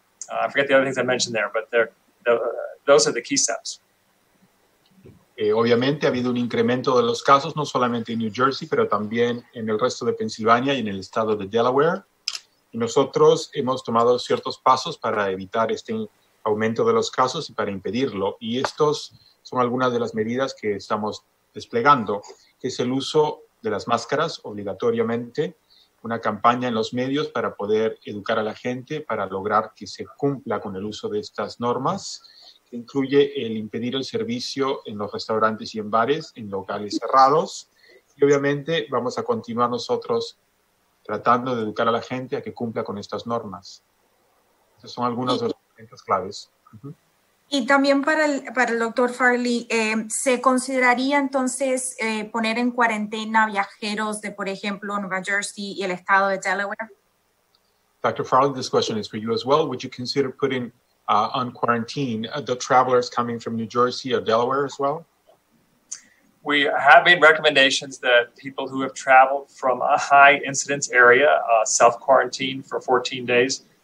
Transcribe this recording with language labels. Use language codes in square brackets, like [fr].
[en] I forget the other things I mentioned there, but those are the key steps. [es] Obviamente ha habido un incremento de los casos, no solamente en New Jersey, pero también en el resto de Pensilvania y en el estado de Delaware. Y nosotros hemos tomado ciertos pasos para evitar este aumento de los casos y para impedirlo. Y estos son algunas de las medidas que estamos desplegando, que es el uso de las máscaras obligatoriamente, una campaña en los medios para poder educar a la gente, para lograr que se cumpla con el uso de estas normas, incluye el impedir el servicio en los restaurantes y en bares, en locales cerrados. Y obviamente vamos a continuar nosotros tratando de educar a la gente a que cumpla con estas normas. Estos son algunos de los elementos claves. Y también para el doctor Farley, ¿se consideraría entonces poner en cuarentena viajeros de, por ejemplo, Nueva Jersey y el estado de Delaware? [en] Dr. Farley, this question is for you as well. Would you consider putting on quarantine, the travelers coming from New Jersey or Delaware as well? We have made recommendations that people who have traveled from a high incidence area self-quarantine for 14 days.